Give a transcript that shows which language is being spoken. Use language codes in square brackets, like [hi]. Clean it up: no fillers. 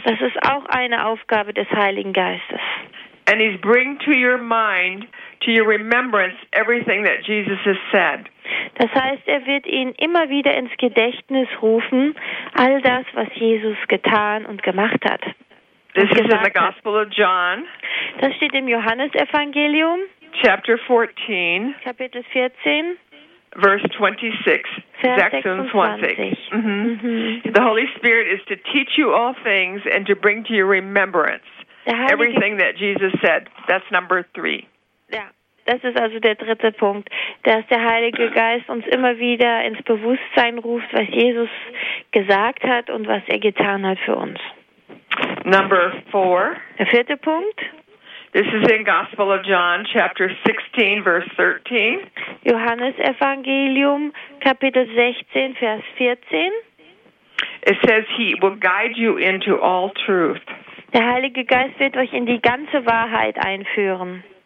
[de] Das ist auch eine Aufgabe des Heiligen Geistes. [en] And he's bring to your mind, to your remembrance, everything that Jesus has said. [de] Das heißt, er wird ihn immer wieder ins Gedächtnis rufen, all das, was Jesus getan und gemacht hat. [en] This is in the Gospel of John. [de] Das steht im Johannesevangelium. [en] Chapter 14. [de] Kapitel 14. [en] Verse 26. The Holy Spirit is to teach you all things and to bring to your remembrance everything that Jesus said. That's number 3. [de] Ja, das ist also der dritte Punkt, dass der Heilige Geist uns immer wieder ins Bewusstsein ruft, was Jesus gesagt hat und was er getan hat für uns. [en] Number 4. [de] Der vierte Punkt. [en] This is in Gospel of John, chapter 16, verse 13. [de] Johannes Evangelium, Kapitel 16, Vers 14. [en] It says he will guide you into all truth. [de] Der Heilige Geist wird euch in die ganze Wahrheit einführen.